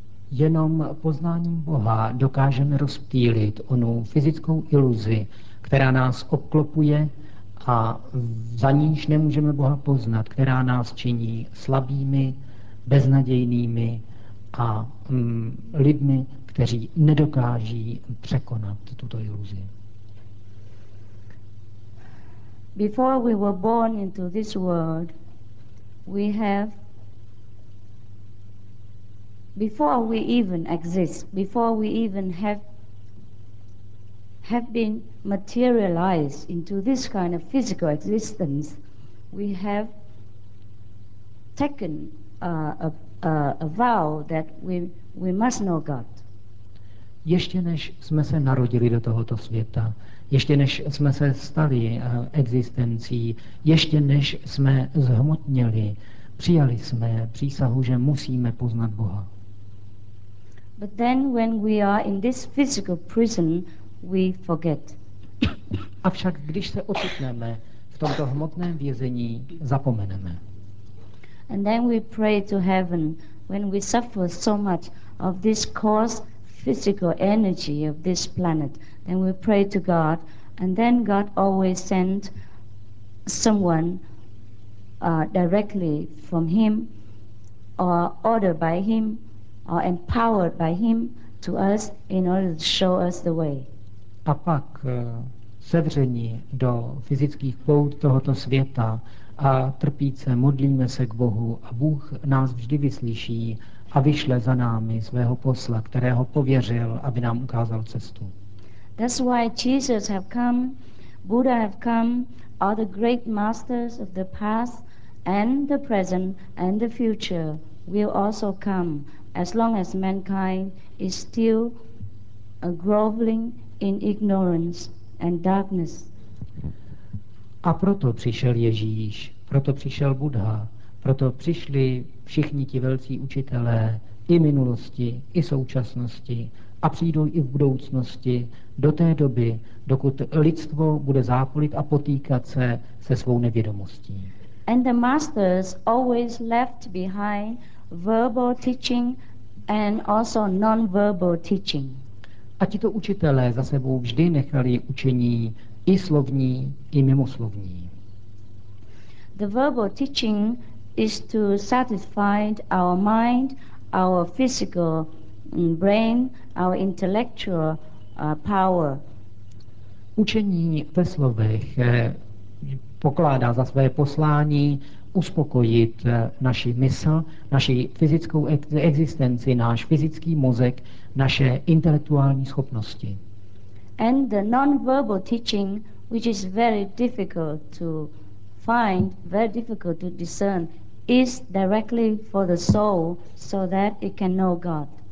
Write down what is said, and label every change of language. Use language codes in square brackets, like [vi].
[cs] Jenom poznáním Boha dokážeme rozptýlit onu fyzickou iluzi, která nás obklopuje a za níž nemůžeme Boha poznat, která nás činí slabými, beznadějnými a lidmi, kteří nedokáží překonat tuto iluzi. [en] Before we were born into this world, we have before we even exist, before we even have been materialized into this kind of physical existence, we have taken a vow that we must know God. [cs] Ještě než jsme se narodili do tohoto světa, ještě než jsme se stali existencí, ještě než jsme zhmotnili, přijali jsme přísahu, že musíme poznat Boha. [en] But then when we are in this physical prison, we forget. [cs] Avšak když se ocitneme v tomto hmotném vězení, zapomeneme. [en] And then we pray to heaven when we suffer so much of this course physical energy of this planet, then we pray to God, and then God always sent someone directly from Him, or ordered by Him, or empowered by Him to us in order to show us the way. [cs] A pak sevření do fyzických pout tohoto světa a trpíce, modlíme se k Bohu a Bůh nás vždy vyslyší a vyšle za námi svého posla, kterého pověřil, aby nám ukázal cestu. [en] That's why Jesus have come, Buddha have come, all the great masters of the past and the present and the future will also come as long as mankind is still groveling in ignorance and darkness. [cs] A proto přišel Ježíš, proto přišel Buddha, proto přišli všichni ti velcí učitelé i minulosti, i současnosti a přijdou i v budoucnosti do té doby, dokud lidstvo bude zápolit a potýkat se svou nevědomostí. [en] And the masters always left behind verbal teaching and also non-verbal teaching. [cs] A tito učitelé za sebou vždy nechali učení i slovní, i mimoslovní. [en] The verbal teaching is to satisfy our mind, our physical brain, our intellectual power. [cs] Učení ve slovech pokládá za své poslání uspokojit naši mysl, naši fyzickou existenci, náš fyzický mozek, naše intelektuální schopnosti. [en] And the non-verbal teaching, which is very difficult to find, very difficult to discern, is directly for the soul so that it can know God.